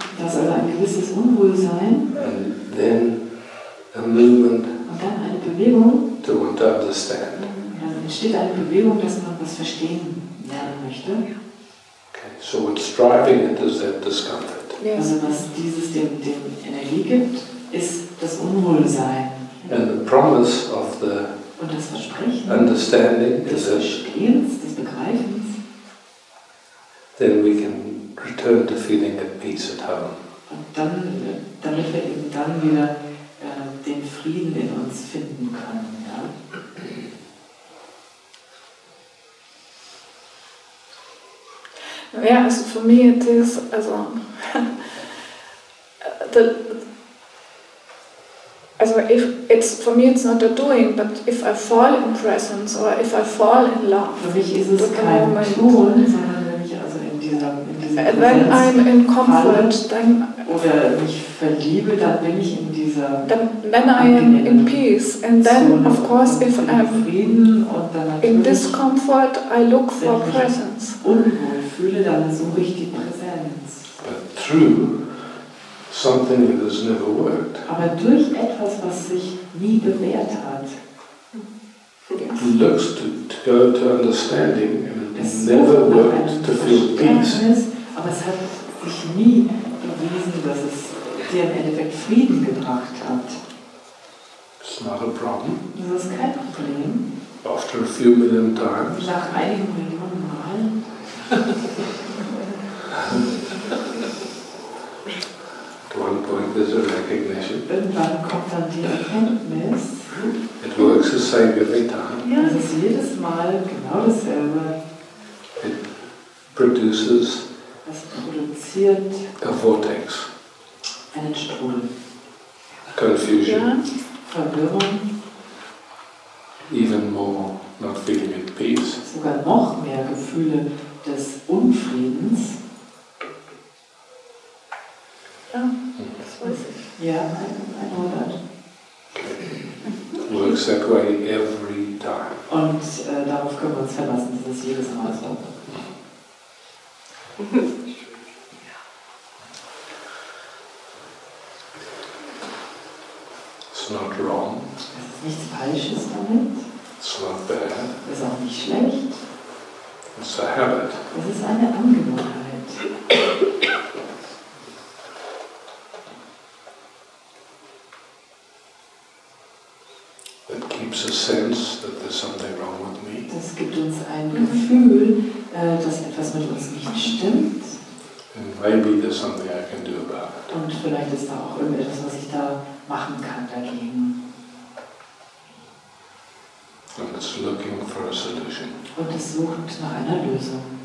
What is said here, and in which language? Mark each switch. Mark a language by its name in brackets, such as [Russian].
[German] Das ist also ein gewisses Unwohlsein. [English] And then a movement. [German] Und dann eine Bewegung. [English] To want to understand. [German] Entsteht eine Bewegung, dass man was verstehen lernen möchte. [English] Okay, so what's driving it is that discomfort. Yeah. [German] Also was dieses dem Energie gibt, ist das Unwohlsein. [English] And the promise of the [German] und das Versprechen [English] understanding [German] des Verstehens, des Begreifens. [English] Then we can return to feeling at peace at home. [German] Und dann, damit wir eben dann wieder den Frieden in uns finden können. [English] Yeah, so for me it is also the also if it's for me it's not a doing, but if I fall in presence or if I fall in love. [German] Für mich ist es kein Tun, sondern wenn ich also in diesem [English] when I'm in comfort, [German] falle, [English] then [German] oder mich verliebe, dann bin ich in dieser [English] then I am in peace. And then [German] Zone, [English] of course if I'm [German] in Frieden und dann [English] in discomfort I look for presence. [German] Fühle dann suche ich die Präsenz. [English] But through something that has never worked. [German] Aber durch etwas, was sich nie bewährt hat. [English] Yes. Looks to go to understanding and [German] es [English] never worked to feel peace. [German] Aber es hat sich nie bewiesen, dass es dir im Endeffekt Frieden gebracht hat. [English] It's not a problem. [German] Das ist kein Problem. [English] After a few million times. [German] Nach einigen Millionen Malen. [English] At one point there's a recognition. [German] Irgendwann kommt dann die Erkenntnis. [English] It works the same every time. [German] Ja, es ist jedes Mal genau dasselbe. [English] It produces. [German] Es produziert. [English] A vortex. [German] Einen Strudel. [English] Confusion. [German] Ja, Verwirrung. [English] Even more not feeling at peace. [German] Sogar noch mehr Gefühle des Unfriedens. Ja, das weiß ich. [English] Ja, I know that. Works that way every time. [German] Und darauf können wir uns verlassen, dass es jedes Mal so. [English] It's not wrong. [German] Es ist nichts Falsches damit. [English] It's not bad. [German] Es ist auch nicht schlecht. [English] It's a habit. [German] Es ist eine Angewohnheit. [English] That keeps a sense that there's something wrong with me. [German] Das gibt uns ein Gefühl, dass etwas mit uns nicht stimmt. [English] And maybe there's something I can do about it. [German] Und vielleicht ist da auch irgendetwas, was ich da machen kann dagegen. [English] And it's looking for a solution. [German] Und es sucht nach einer Lösung.